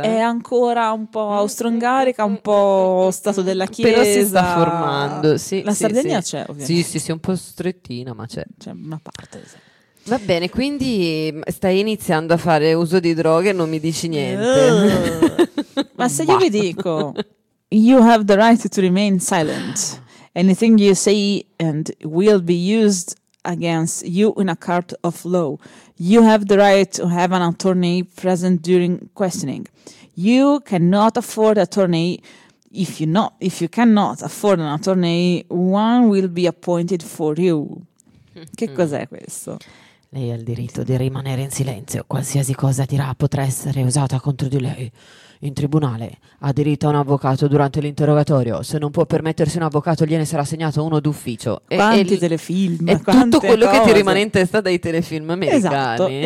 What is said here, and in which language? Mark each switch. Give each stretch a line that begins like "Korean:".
Italian: È ancora un po' austro-ungarica, un po' stato della Chiesa. Però si sta formando. Sì, la Sardegna sì. C'è, ovviamente. Sì, sì, è un po' strettina, ma c'è. C'è una parte, sì. Va bene, quindi stai iniziando a fare uso di droghe e non mi dici niente. Ma se io vi dico,
English: you have the right to remain silent. Anything you say and will be used against you in a court of law. You have the right to have an attorney present during questioning. You cannot afford an attorney. If you cannot afford an attorney, one will be appointed for you.
Italian: Che cos'è questo? Lei ha il diritto di rimanere in silenzio. Qualsiasi cosa dirà potrà essere usata contro di lei. In tribunale ha diritto a un avvocato durante l'interrogatorio. Se non può permettersi un avvocato, gliene sarà assegnato uno d'ufficio. Quanti telefilm? È tutto quello che ti rimane in testa dai telefilm americani.